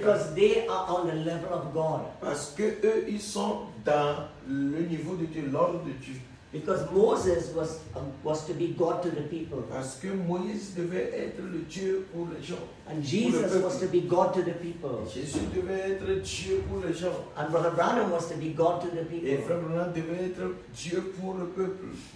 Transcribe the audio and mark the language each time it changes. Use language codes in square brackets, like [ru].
[en] Because they are on the level of God. [fr] Parce que eux ils sont dans le niveau de Dieu, l'ordre de Dieu. [en] Because Moses was to be God to the people. [fr] Parce que Moïse devait être le Dieu pour les gens. [en] And Jesus was to be God to the people. [fr] Et Jésus devait être Dieu pour les gens. [en] And Brother Branham was to be God to the people. [fr] Et frère Branham devait être Dieu pour le peuple.